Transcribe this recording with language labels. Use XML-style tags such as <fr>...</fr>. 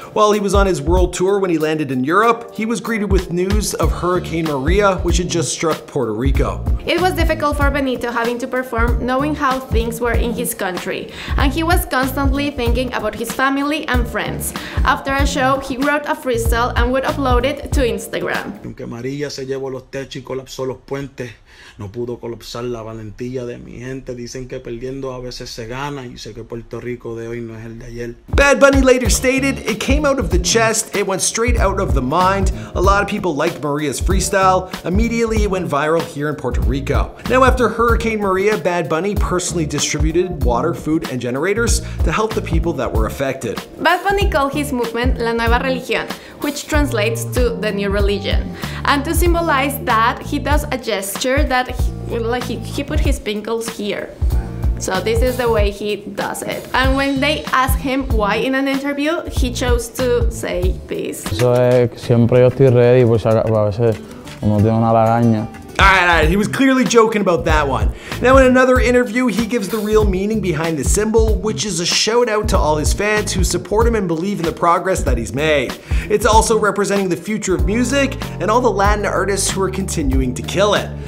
<en>While he was on his world tour when he landed in Europe, he was greeted with news of Hurricane Maria, which had just struck Puerto Rico. It was difficult for Benito having to perform, knowing how things were in his country. And he was constantly thinking about his family and friends. After a show, he wrote a freestyle and would upload it to Instagram.</en> <es>Aunque María se llevó los techos y colapsó los puentes, no pudo colapsar la valentía de mi gente. Dicen que perdiendo a veces se gana.</es> <en>Bad Bunny later stated, "It came out of the chest, it went straight out of the mind. A lot of people liked Maria's freestyle. Immediately it went viral here in Puerto Rico." Now after Hurricane Maria, Bad Bunny personally distributed water, food, and generators to help the people that were affected. Bad Bunny called his movement La Nueva Religión, which translates to the new religion. And to symbolize that, he does a gesture that he put his pinkles here. So this is the way he does it. And when they ask him why in an interview, he chose to say this.</en> <es>Eso es, siempre yo estoy ready, pues a veces uno tiene una lagaña.</es> <en>All right, he was clearly joking about that one. Now in another interview, he gives the real meaning behind the symbol, which is a shout out to all his fans who support him and believe in the progress that he's made. It's also representing the future of music and all the Latin artists who are continuing to kill it.</en>